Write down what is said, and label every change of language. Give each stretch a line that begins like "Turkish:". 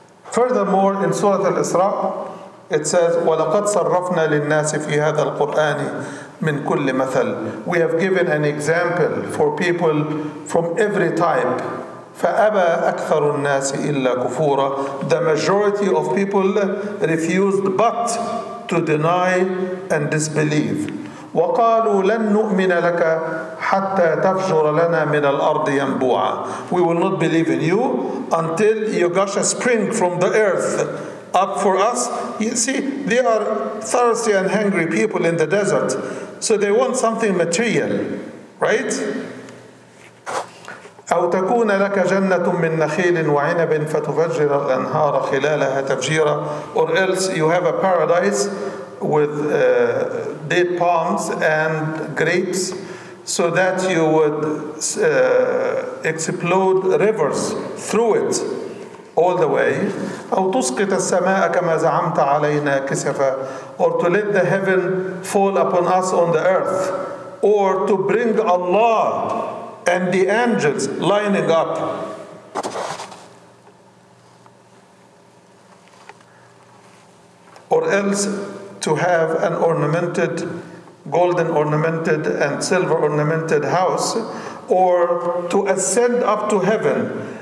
English: Furthermore, in Surah Al-Isra, it says,
Arabic: وَلَقَدْ صَرَّفْنَا لِلنَّاسِ فِي هَذَا الْقُرْآنِ مِنْ كُلِّ مَثَلٍ
English: We have given an example for people from every type.
Arabic: فَأَبَى أَكْثَرُ النَّاسِ إِلَّا كُفُورًا
English: The majority of people refused but to deny and disbelieve.
Arabic: وَقَالُوا لَن نُؤْمِنَ لَكَ حتى تفجر لنا من الأرض ينبوعا.
English: We will not believe in you until you gush a spring from the earth up for us. You see, they are thirsty and hungry people in the desert, so they want something material, right?
Arabic: أو تكون لك جنة من نخيل وعنب فتفجر الأنهار خلالها تفجيرا.
English: Or else you have a paradise with date palms and grapes, so that you would explode rivers through it all the way.
Arabic: أو تسقط السماء كما زعمت علينا كسفا.
English: Or to let the heaven fall upon us on the earth. Or to bring Allah and the angels lining up. Or else to have an ornamented, golden ornamented and silver ornamented house, or to ascend up to heaven.